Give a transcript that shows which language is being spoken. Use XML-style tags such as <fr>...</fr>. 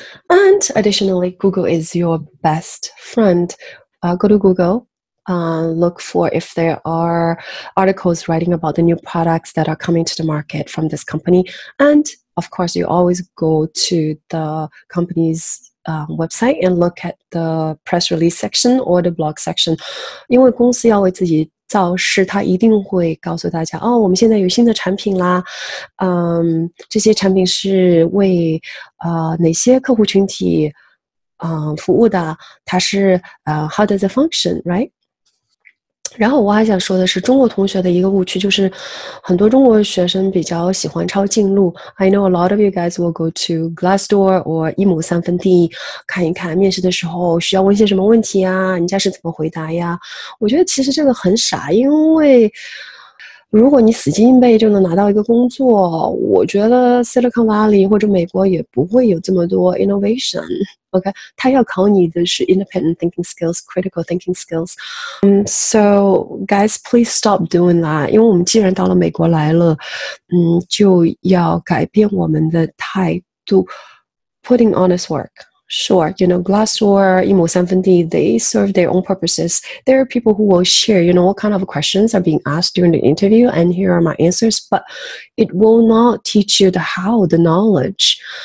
<en>And additionally, Google is your best friend. Go to Google. Look for if there are articles writing about the new products that are coming to the market from this company. And of course, you always go to the company's website and look at the press release section or the blog section.</en> <zh>因为公司要为自己造势，他一定会告诉大家，哦，我们现在有新的产品啦。这些产品是为哪些客户群体服务的？它是</zh> <en>how does it function, right?</en> <zh>然后我还想说的是中国同学的一个误区就是很多中国学生比较喜欢抄近路</zh> <en>I know a lot of you guys will go to Glassdoor or</en> <zh>一亩三分地看一看面试的时候需要问些什么问题啊人家是怎么回答呀我觉得其实这个很傻因为如果你死记硬背就能拿到一个工作我觉得 Silicon Valley 或者美国也不会有这么多 innovation OK, 他要考你的是</zh> <en>independent thinking skills, critical thinking skills. So guys, please stop doing that.</en> <zh>因为我们既然到了美国来了，就要改变我们的态度。</zh> <en>Putting honest work. Sure, you know, Glassdoor, 一亩三分地 they serve their own purposes. There are people who will share, you know, what kind of questions are being asked during the interview, and here are my answers. But it will not teach you the how, the knowledge.</en>